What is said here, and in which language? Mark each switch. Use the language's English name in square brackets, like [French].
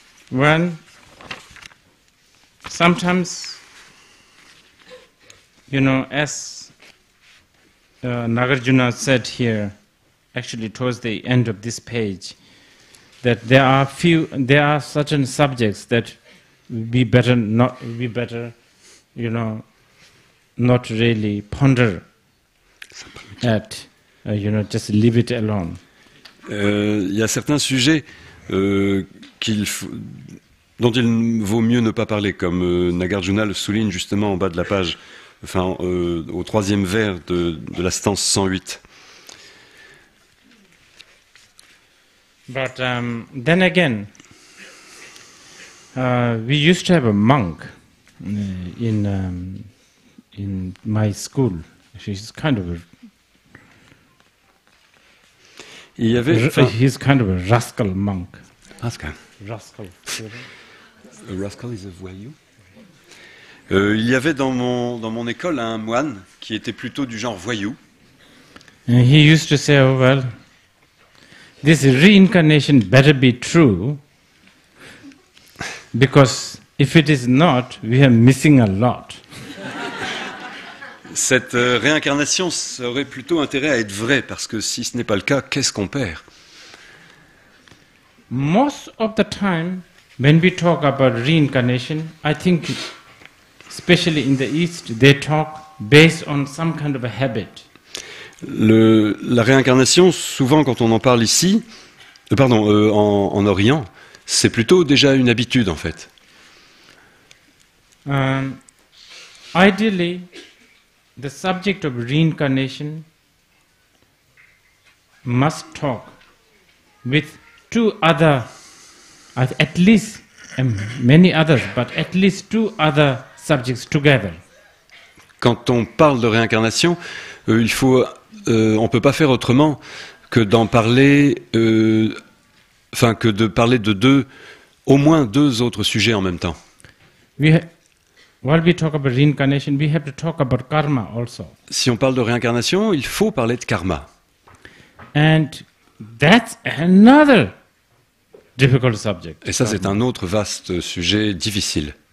[English] When sometimes, you know, as Nagarjuna said here, actually towards the end of this page, that there are certain subjects that we better, you know, not really ponder at, you know, just leave it alone. [French] Il y a certains sujets dont il vaut mieux ne pas parler, comme Nagarjuna le souligne justement en bas de la page, enfin au troisième vers de la stance 108. [English] But then again, we used to have a monk in my school. She's kind of a he's kind of a rascal monk. Rascal is a voyou. [French] Il y avait dans mon école un moine qui était plutôt du genre voyou. [English] And he used to say, oh well, this reincarnation better be true, because if it is not, we are missing a lot. [French] Cette réincarnation aurait plutôt intérêt à être vraie, parce que si ce n'est pas le cas, qu'est-ce qu'on perd? [English] Most of the time, when we talk about reincarnation, I think, especially in the East, they talk based on some kind of a habit. [French] La réincarnation, souvent quand on en parle ici, en Orient, c'est plutôt déjà une habitude en fait. [English] Ideally, the subject of reincarnation must talk with two other at least many others, but at least two other subjects together. [French] Quand on parle de réincarnation, on peut pas faire autrement que d'en parler, que de parler de deux, au moins deux autres sujets en même temps. [English] While we talk about reincarnation, we have to talk about karma also. [French] Si on parle de réincarnation, il faut parler de karma. [English] And that's another difficult subject. [French] Et ça, c'est un autre vaste sujet difficile.